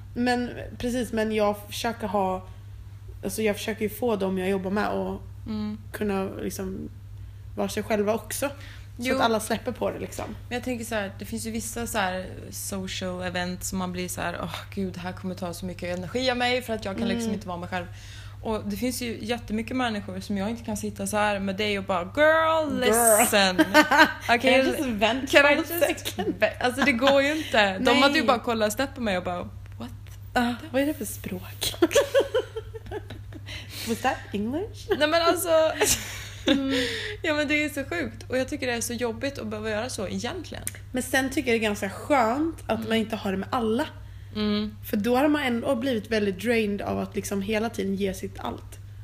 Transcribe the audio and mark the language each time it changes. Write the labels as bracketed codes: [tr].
[sv] Men precis, men jag försöker ha. Alltså jag försöker ju få dem jag jobbar med att kunna liksom vara sig själva också. Så jo. Att alla släpper på det liksom. Men jag tänker så här, det finns ju vissa så här social events som man blir så här, åh gud, här kommer ta så mycket energi av mig för att jag kan liksom inte vara mig själv. Och det finns ju jättemycket människor som jag inte kan sitta så här med dig och bara [en] girl, listen. Okay, can I just vent for a second? [sv] Alltså det går ju inte. De hade ju bara kollat snett på mig och bara [en] what? [sv] Vad är det för språk? [en] Was that English? [sv] Nej men alltså ja men det är så sjukt. Och jag tycker det är så jobbigt att behöva göra så egentligen. Men sen tycker jag det är ganska skönt att man inte har det med alla. För då har man ändå blivit väldigt drained av att liksom hela tiden ge sitt allt.